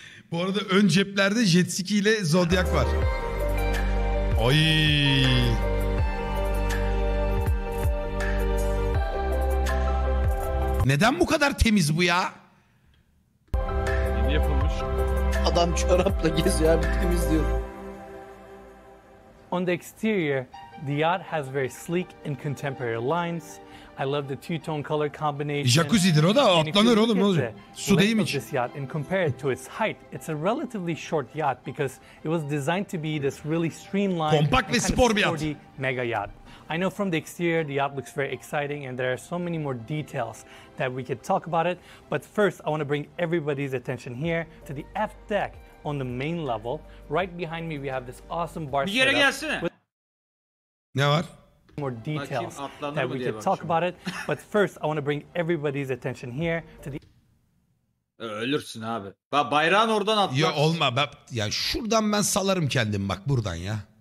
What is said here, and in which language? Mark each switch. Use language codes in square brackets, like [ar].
[tr] Bu arada ön ceplerde jet ski ile Zodiac var. Ay. Neden bu kadar temiz bu ya? Adam çorapla geziyor, bir temizliyor. [en] On the exterior, the yacht has very sleek and contemporary lines. I love the two-tone color combination. [tr] Jacuzzi'dir o da atlanır oğlum. Su değil hiç. [en] And compared to its height, it's a relatively short yacht because it was designed to be this really streamlined, [tr] compact ve spor bir yacht. [en] Mega yacht. I know from the exterior, the yacht looks very exciting and there are so many more details that we could talk about it. But first, I want to bring everybody's attention here to the aft deck on the main level. Right behind me, we have this awesome bar [tr] setup. Bir yere gelsene. Ne var? [en] More details bakayım, that we could talk about it. But first, I want to bring everybody's attention here to the... [tr] Ölürsün abi. Bak bayrağın oradan atlar. Ya olma. Ya şuradan ben salarım kendim bak buradan ya.